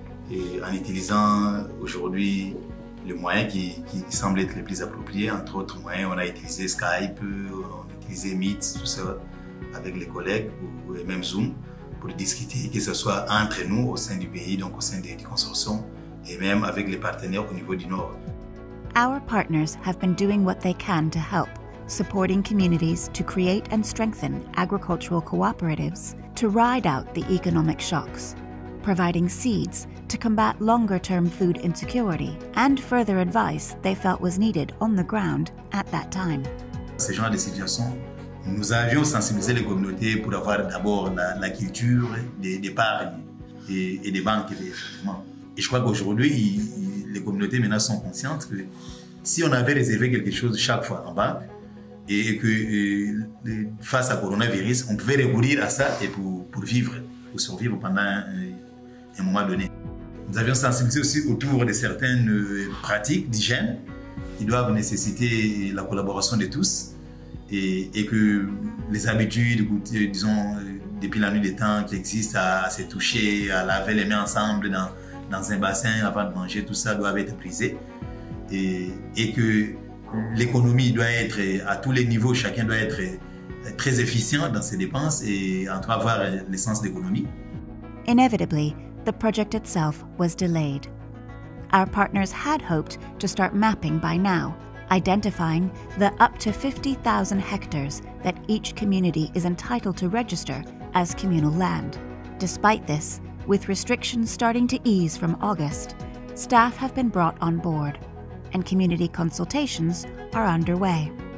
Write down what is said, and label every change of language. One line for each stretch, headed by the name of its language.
French: Et en utilisant aujourd'hui les moyens qui semblent être les plus appropriés, entre autres moyens, on a utilisé Skype, on a utilisé Meet, tout ça, avec les collègues, et même Zoom, pour discuter, que ce soit entre nous au sein du pays, donc au sein des consortiums, et même avec les partenaires au niveau du Nord.
English: Our partners have been doing what they can to help, supporting communities to create and strengthen agricultural cooperatives to ride out the economic shocks, providing seeds to combat longer-term food insecurity and further advice they felt was needed on the ground at that time.
French: Ce genre de situation, nous avions sensibilisé les communautés pour avoir d'abord la culture d'épargne et des banques. Effectivement. Et je crois qu'aujourd'hui, les communautés maintenant sont conscientes que si on avait réservé quelque chose chaque fois en banque et que face à coronavirus, on pouvait recourir à ça et pour vivre ou survivre pendant un moment donné. Nous avions sensibilisé aussi autour de certaines pratiques d'hygiène qui doivent nécessiter la collaboration de tous et que les habitudes, disons, depuis la nuit des temps qui existent à se toucher, à laver les mains ensemble dans un bassin avant de manger, tout ça doivent être brisées et que l'économie doit être à tous les niveaux, chacun doit être très efficient dans ses dépenses et en tout cas avoir le sens d'économie.
English: Inevitably, the project itself was delayed. Our partners had hoped to start mapping by now, identifying the up to 50,000 hectares that each community is entitled to register as communal land. Despite this, with restrictions starting to ease from August, staff have been brought on board, and community consultations are underway.